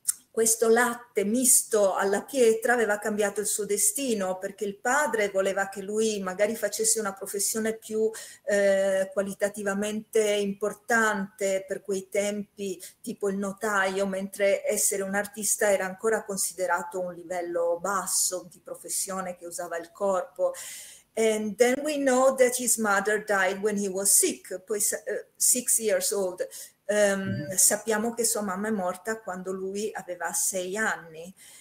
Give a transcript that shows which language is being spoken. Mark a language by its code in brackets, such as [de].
[it] questo latte misto alla pietra aveva cambiato il suo destino, perché il padre voleva che lui magari facesse una professione più qualitativamente importante per quei tempi, tipo il notaio, mentre essere un artista era ancora considerato un livello basso di professione che usava il corpo. [en] And then we know that his mother died when he was sick, poi 6 years old. [it] Sappiamo che sua mamma è morta quando lui aveva 6 anni.